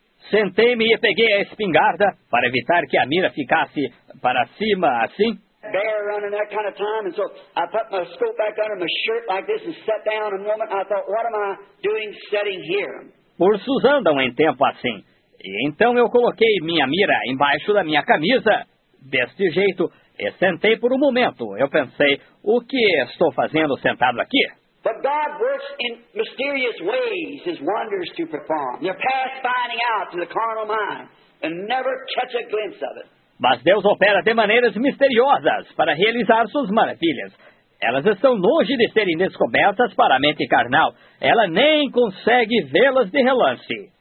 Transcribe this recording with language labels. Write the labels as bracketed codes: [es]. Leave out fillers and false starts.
[pt] Sentei-me e peguei a espingarda para evitar que a mira ficasse para cima assim. [en] Bear running that kind of time, and so I put my scope back under my shirt like this and sat down a moment. I thought, what am I doing sitting here? [pt] Ursos andam em tempo assim. E então eu coloquei minha mira embaixo da minha camisa, deste jeito, e sentei por um momento. Eu pensei, o que estou fazendo sentado aqui? [en] But God works in mysterious ways, His wonders to perform. They're past finding out to the carnal mind, and never catch a glimpse of it. [pt] Mas Deus opera de maneiras misteriosas para realizar suas maravilhas. Elas estão longe de serem descobertas para a mente carnal. Ela nem consegue vê-las de relance.